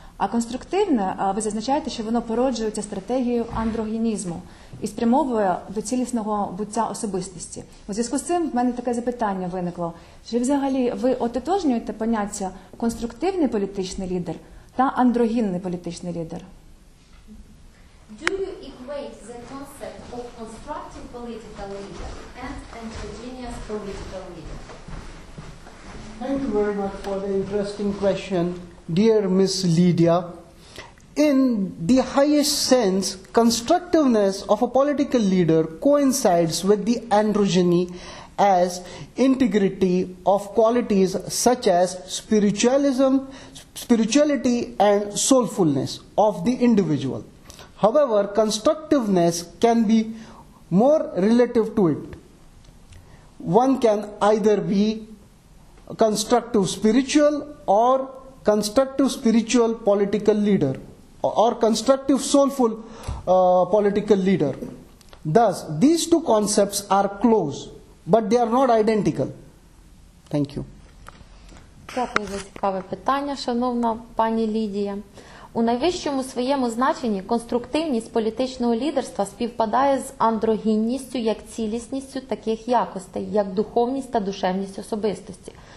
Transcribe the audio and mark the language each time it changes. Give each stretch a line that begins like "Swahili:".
Ukrainian: А конструктивне ви зазначаєте, що воно породжується стратегією андрогінізму і спрямовує до цілісного буття особистості. У зв'язку з цим в мене таке запитання виникло. Чи взагалі ви ототожнюєте поняття конструктивний політичний лідер та андрогінний політичний лідер?
English: Do you equate the concept of constructive political leader and androgynous political leader? Thank you very much for the interesting question, dear Miss Lydia. In the highest sense, constructiveness of a political leader coincides with the androgyny as integrity of qualities such as spirituality and soulfulness of the individual. However, constructiveness can be more relative to it. One can either be constructive spiritual or constructive spiritual political leader, or constructive soulful political leader. Thus, these two concepts are close, but they are not identical. Thank you.
Ukrainian: Дякую за цікаве питання, шановна пані Лідія. У найвищому своєму значенні конструктивність політичного лідерства співпадає з андрогінністю як цілісністю таких якостей, як духовність та душевність особистості.